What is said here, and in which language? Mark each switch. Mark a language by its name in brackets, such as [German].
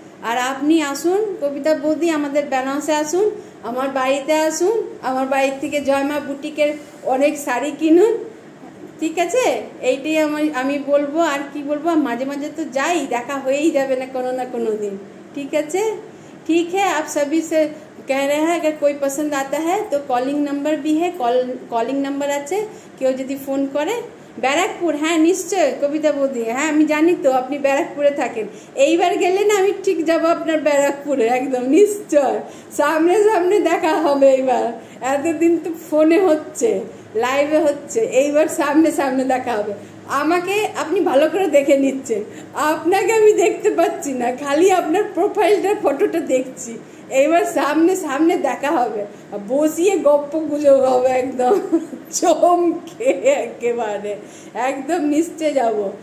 [Bangla] আর আপনি আসুন কবিতা বৌদি আমাদের বেনারসে, আসুন আমার বাড়িতে, আসুন আমার বাড়ির থেকে জয়মা বুটিকের অনেক শাড়ি কিনুন, ঠিক আছে? এইটাই আমি বলবো, আর কি বলবো, মাঝে মাঝে তো যাই, দেখা হয়েই যাবে না কোনো দিন, ঠিক আছে? [Hindi] ठीक है, आप सभी से कह रहे हैं अगर कोई पसंद आता है तो कॉलिंग नंबर भी है, [Bangla] कॉलिंग नंबर आछे, [Hindi] क्यों यदि फोन करे ব্যারাকপুর। [Bangla] হ্যাঁ নিশ্চয়, কবিতা বৌদি, হ্যাঁ আমি জানি তো আপনি ব্যারাকপুরে থাকেন, এইবার গেলে না আমি ঠিক যাবো আপনার ব্যারাকপুরে, একদম নিশ্চয় সামনে সামনে দেখা হবে এইবার, এতদিন তো ফোনে হচ্ছে, লাইভে হচ্ছে, এইবার সামনে সামনে দেখা হবে। আমাকে আপনি ভালো করে দেখে নিচ্ছেন, আপনাকে আমি দেখতে পাচ্ছি না, খালি আপনার প্রোফাইলটার ফটোটা দেখছি, এইবার সামনে সামনে দেখা হবে, বসিয়ে গপ্প গুজব হবে, একদম চমকে একেবারে, একদম নিশ্চয় যাব।